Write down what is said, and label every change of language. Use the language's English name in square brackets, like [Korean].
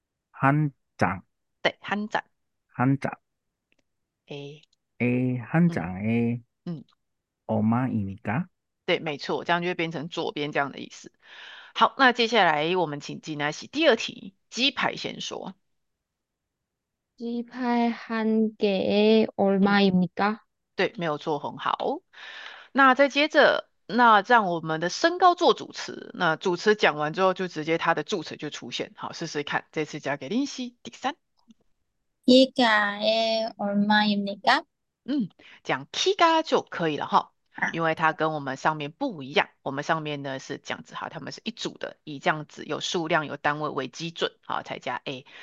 [Chinese] 汉盏，对，汉盏， [Korean] 한장 A， 에한 장에 얼마입니까? [Chinese] 对，没错，这样就会变成左边这样的意思。好，那接下来我们请进来洗第二题，鸡排先说。 [Korean] 鸡排한 개에 얼마입니까? [Chinese] 对，没有错，很好。那再接着，那让我们的身高做主词。那主词讲完之后，就直接它的助词就出现。好，试试看，这次交给林夕第三。 [Korean] 기가에 얼마입니까? [Chinese] 讲 Kiga 就可以了哈。因为它跟我们上面不一样，我们上面呢是这样子哈，他们是一组的，以这样子有数量有单位为基准，好才加 A。